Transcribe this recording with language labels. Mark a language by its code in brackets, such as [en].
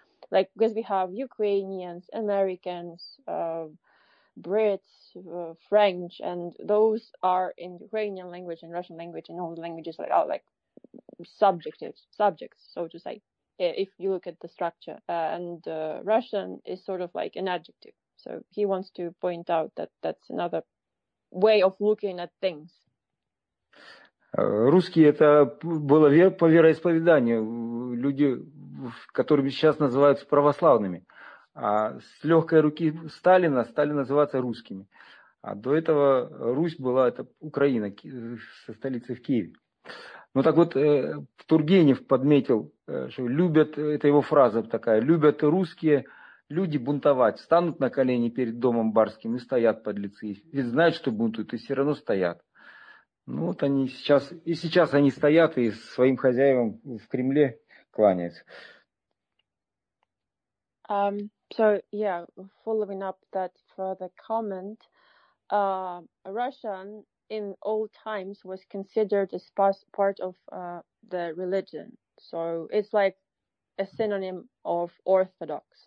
[en] Like, because we have Ukrainians, Americans, Brits, French, and those are in Ukrainian language and Russian language and all the languages that are like subjects, so to say, if you look at the structure. And Russian is sort of like an adjective. So he wants to point out that that's another way of looking at things. [ru] Русские – это было по вероисповеданию. Люди, которыми сейчас называются православными. А с легкой руки Сталина стали называться русскими. А до этого Русь была – это Украина со столицей в Киеве. Ну так вот, Тургенев подметил, что любят, это его фраза такая, любят русские – люди бунтовать, встанут на колени перед домом барским и стоят подлецы. Ведь знают, что бунтуют, и все равно стоят. Ну вот они сейчас, и сейчас они стоят и своим хозяевам в Кремле кланяются. [en] So, yeah, following up that further comment, Russian in old times was considered as part of the religion. So it's like a synonym of Orthodox.